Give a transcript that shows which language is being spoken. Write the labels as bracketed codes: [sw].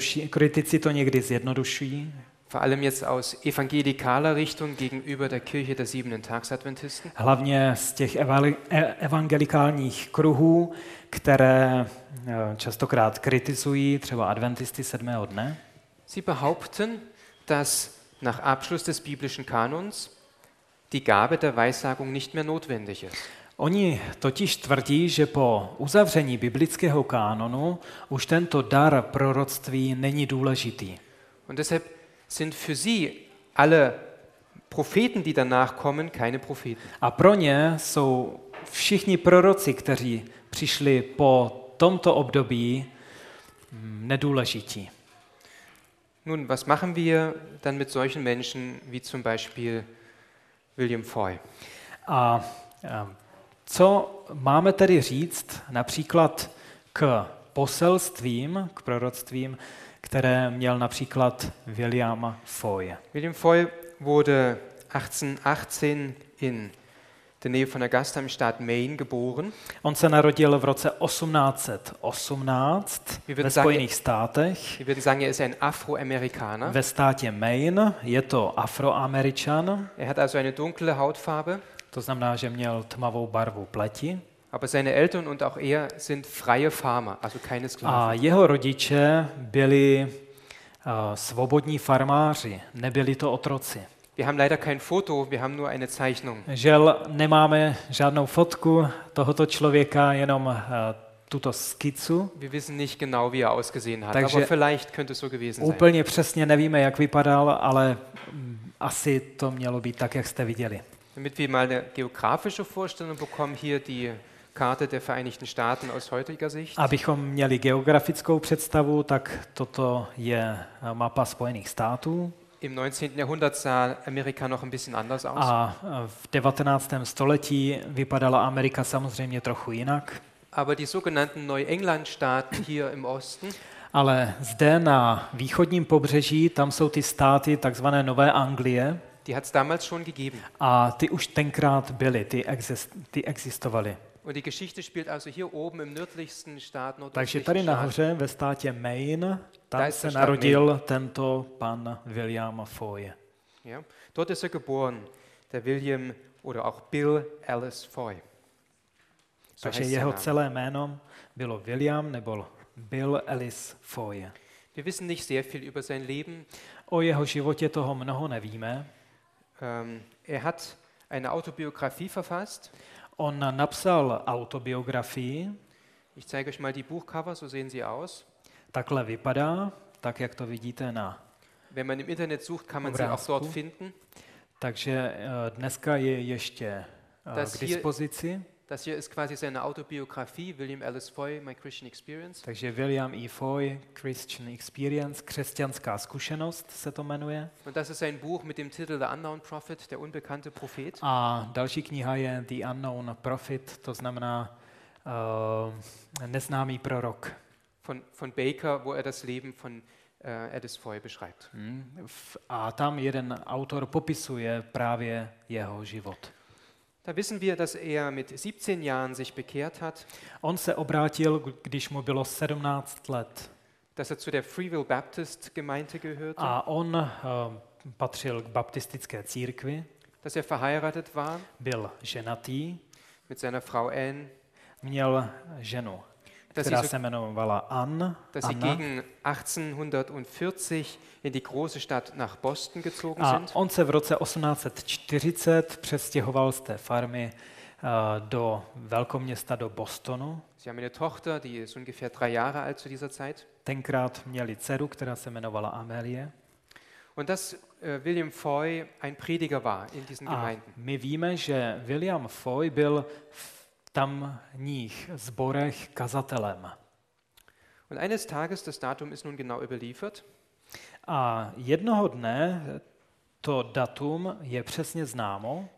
[cs] Kritici to někdy zjednodušují. [de] Vor allem jetzt aus evangelikaler Richtung gegenüber der Kirche der siebenten Tagsadventisten. [cs] Hlavně z těch evangelikálních kruhů, které častokrát kritizují třeba adventisty sedmého dne. [de] Sie behaupten, dass nach Abschluss des biblischen Kanons die Gabe der Weissagung nicht mehr notwendig ist. [cs] Oni totiž tvrdí, že po uzavření biblického kánonu už tento dar proroctví není důležitý. [de] Und deshalb sind für sie alle Propheten, die danach kommen, keine Propheten. [cs] A pro ně jsou všichni proroci, kteří přišli po tomto období, nedůležití. [de] Nun, was machen wir dann mit solchen Menschen wie zum Beispiel William Foy? [cs] A co máme tedy říct například k poselstvím, k proroctvím, které měl například William Foy? [de] William Foy wurde 1818 in der Nähe von Augusta im Staat Maine geboren. [cs] On se narodil v roce 1818 ve Spojených státech. [de] Wir würden sagen, er ist ein Afroamerikaner. [cs] Ve státě Maine je to Afroameričan. [de] Er hat also eine dunkle Hautfarbe. [cs] To znamená, že měl tmavou barvu pleti. [de] Aber seine Eltern und auch er sind freie Farmer, also keine Sklaven. [cs] A jeho rodiče byli svobodní farmáři, nebyli to otroci. [de] Wir haben leider kein Foto, wir haben nur eine Zeichnung. [cs] Žel, nemáme žádnou fotku tohoto člověka, jenom tuto skicu. [de] Wir wissen nicht genau, wie er ausgesehen hat, aber vielleicht könnte es so gewesen sein. [cs] Úplně přesně nevíme, jak vypadal, ale asi to mělo být tak, jak jste viděli. [de] Damit wir mal eine geografische Vorstellung bekommen, hier die Karte der Vereinigten Staaten aus heutiger Sicht. [cs] Abychom měli geografickou představu, tak toto je mapa Spojených států. [de] Im 19. Jahrhundert sah Amerika noch ein bisschen anders aus. [cs] A v 19. století vypadala Amerika samozřejmě trochu jinak. [de] Aber die sogenannten Neuenglandstaaten hier im Osten. [cs] Ale zde na východním pobřeží, tam jsou ty státy takzvané Nové Anglie. [de] Die hat's damals schon gegeben. [cs] A ty už tenkrát byly, ty existovaly. [de] Und die Geschichte spielt also hier oben im nördlichsten Staat Nordrhein. [cs] Takže tady nahoře ve státě Maine, tam se narodil tento pan William Foy. [de] Ja. Dort ist er geboren, der William oder auch Bill Ellis Foy. [cs] So takže jeho celé jméno bylo William nebo Bill Ellis Foy. [de] Wir wissen nicht sehr viel über sein Leben. [cs] O jeho životě toho mnoho nevíme. [de] Er hat eine Autobiografie verfasst. [cs] On napsal autobiografii. [de] Ich zeige euch mal die Buchcover, so sehen sie aus. [cs] Takhle vypadá, tak jak to vidíte na. [de] Wenn man im Internet sucht, kann man sie auch dort finden. [cs] Takže dneska je ještě k dispozici. [de] Das hier ist quasi seine Autobiografie, William Ellis Foy, My Christian Experience. [cs] Takže William E. Foy, Christian Experience, křesťanská zkušenost se to jmenuje. [de] Und das ist ein Buch mit dem Titel The Unknown Prophet, der unbekannte Prophet. [cs] A další kniha je The Unknown Prophet, to znamená neznámý prorok. [de] Von Baker, wo er das Leben von Ellis Foy beschreibt. [cs] A tam jeden autor popisuje právě jeho život. [de] Da wissen wir, dass er mit 17 Jahren sich bekehrt hat. [cs] On se obrátil, když mu bylo 17 let. [de] Dass er zu der Freeville Baptist Gemeinde gehörte. [cs] A on patřil k baptistické církvi. [de] Dass er verheiratet war. [cs] Byl ženatý. [de] Mit seiner Frau Anne. [cs] Měl ženu, která se jmenovala Ann. [de] Dass sie gegen 1840 in die große Stadt nach Boston gezogen sind. [cs] A on se v roce 1840 přestěhoval z té farmy do velkoměsta, do Bostonu. [de] Sie haben eine Tochter, die ist ungefähr 3 Jahre alt zu dieser Zeit. [cs] Tenkrát měli dceru, která se jmenovala Amelie. [de] Und dass William Foy ein Prediger war in diesen Gemeinden. [cs] A my víme, že William Foy byl tamních zborech kazatelem. [de] Und eines Tages, das Datum ist nun genau überliefert. [cs] A jednoho dne to datum je přesně známo.